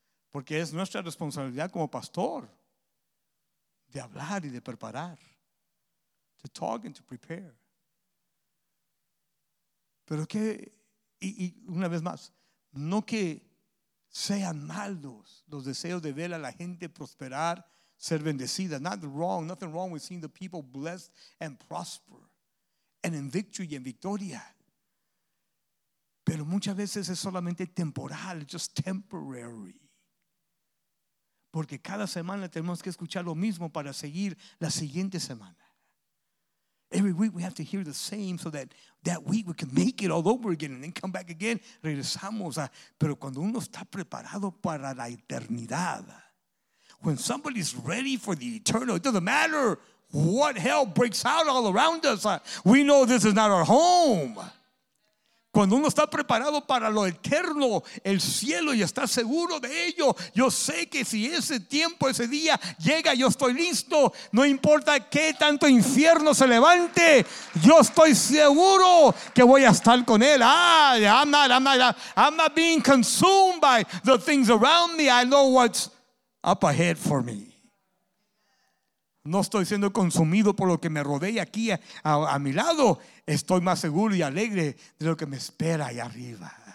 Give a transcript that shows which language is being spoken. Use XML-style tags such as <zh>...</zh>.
<es>Porque es nuestra responsabilidad como pastor de hablar y de preparar.</es> <en>To talk and to prepare.</en> <es>Pero que, y una vez más, no que sean malos los deseos de ver a la gente prosperar, ser bendecida.</es> <en>Not wrong, nothing wrong with seeing the people blessed and prosper. And in victory and</en> <es>victoria. Pero muchas veces es solamente temporal,</es> <en>just temporary.</en> <es>Porque cada semana tenemos que escuchar lo mismo para seguir la siguiente semana.</es> <en>Every week we have to hear the same so that that week we can make it all over again and then come back again.</en> <es>Regresamos. Pero cuando uno está preparado para la eternidad,</es> <en>when somebody is ready for the eternal, it doesn't matter what hell breaks out all around us. We know this is not our home.</en> <es>Cuando uno está preparado para lo eterno, el cielo, y está seguro de ello, yo sé que si ese tiempo, ese día llega, yo estoy listo. No importa qué tanto infierno se levante, yo estoy seguro que voy a estar con él.</es> <en>I'm not being consumed by the things around me. I know what's up ahead for me.</en> <es>No estoy siendo consumido por lo que me rodea aquí a mi lado. Estoy más seguro y alegre de lo que me espera allá arriba.</es>